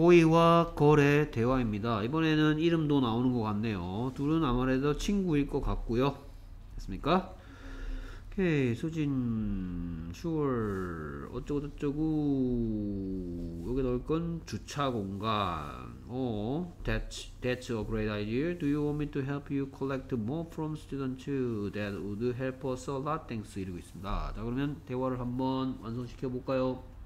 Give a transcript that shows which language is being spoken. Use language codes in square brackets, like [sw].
[ko] 보이와 걸의 대화입니다. 이번에는 이름도 나오는 것 같네요. 둘은 아무래도 친구일 것 같고요. 됐습니까? 오케이, 수진, 슈얼, 어쩌고저쩌고, 여기 넣을 건 주차 공간. [en] That's a great idea. Do you want me to help you collect more from students? That would help us a lot. Thanks. 이러고 있습니다. [ko] 자, 그러면 대화를 한번 완성시켜 볼까요?